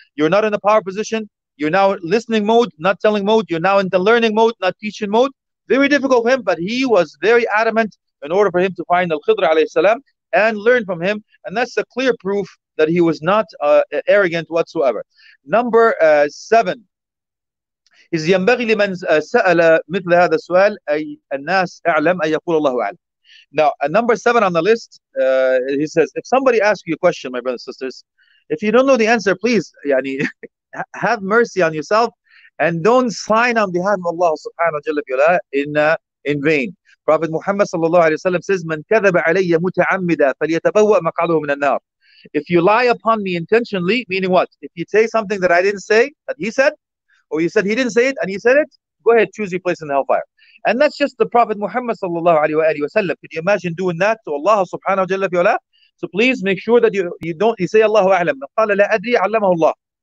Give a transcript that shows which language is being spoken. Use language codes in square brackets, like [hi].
[en] You're not in the power position. You're now listening mode, not telling mode. You're now in the learning mode, not teaching mode. Very difficult for him, but he was very adamant in order for him to find Al-Khidr alayhi salam and learn from him. And that's a clear proof that he was not arrogant whatsoever. Number 7 is [ar] ينبغي لمن سأل مثل هذا السؤال أي الناس أعلم أن يقول الله أعلم. [en] Now, number 7 on the list, he says, if somebody asks you a question, my brothers and sisters, if you don't know the answer, please, have mercy on yourself and don't sign on behalf of Allah subhanahu wa jalla in vain. Prophet Muhammad sallallahu alayhi wa sallam says, [ar] من كذب علي متعمدا فليتبوأ مقعده من النار. [en] If you lie upon me intentionally, meaning what? If you say something that I didn't say, that he said, or you said he didn't say it and he said it, go ahead, choose your place in the hellfire. And that's just the Prophet Muhammad sallallahu alaihi wa sallam. Can you imagine doing that to Allah subhanahu wa jalla fi ala? So please make sure that you don't, you say Allahu a'lam. Qala la adri 'allamahu Allah.